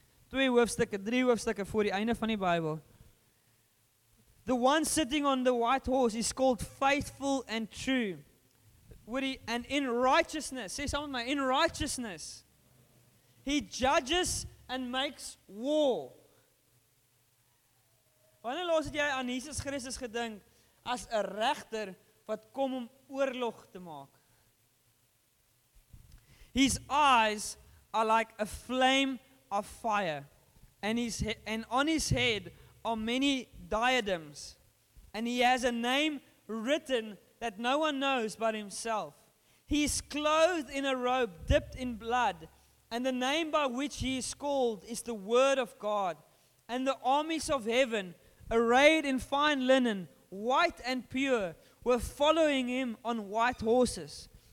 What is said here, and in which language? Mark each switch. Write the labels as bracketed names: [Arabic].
[Afrikaans] Twee hoofstukke, drie hoofstukke voor die einde van die Bybel. [English] The one sitting on the white horse is called faithful and true. And in righteousness, say some of my, in righteousness, he judges and makes war. [Afrikaans] Wanneer laas het jy aan Jesus Christus gedink as 'n regter wat kom om oorlog te maak? [English] His eyes are like a flame of fire and on his head are many diadems and he has a name written that no one knows but himself. He is clothed in a robe dipped in blood and the name by which he is called is the Word of God and the armies of heaven arrayed in fine linen, white and pure, were following him on white horses.